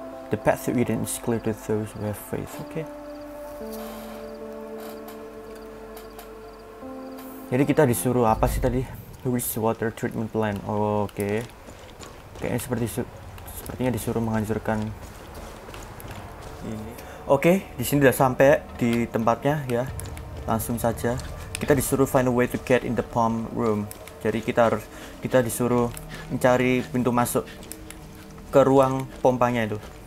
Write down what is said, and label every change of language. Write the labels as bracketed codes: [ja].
[en] The path to Eden is clear to those who have faith. Okay. [id] Jadi kita disuruh apa sih tadi? [en] Which water treatment plant? Oh, oke. Okay. [id] Kayaknya sepertinya disuruh menghancurkan ini. Oke, okay, di sini udah sampai di tempatnya ya. Langsung saja. Kita disuruh [en] find a way to get in the pump room. [id] Jadi kita disuruh mencari pintu masuk ke ruang pompanya itu.